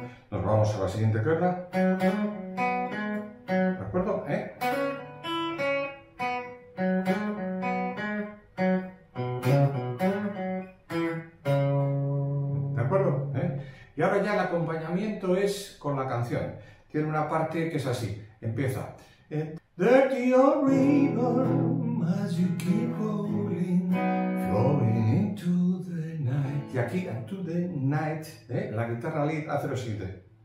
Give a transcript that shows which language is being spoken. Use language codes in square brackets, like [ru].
[es] Nos vamos a la siguiente cuerda. ¿De acuerdo? ¿De acuerdo? Y ahora ya el acompañamiento es con la canción. Tiene una parte que es así. Empieza. [en] Dirty old river, as you keep rolling, flowing into the night. [es] Y aquí, [en] into the night, [es] la guitarra lead hace lo siguiente.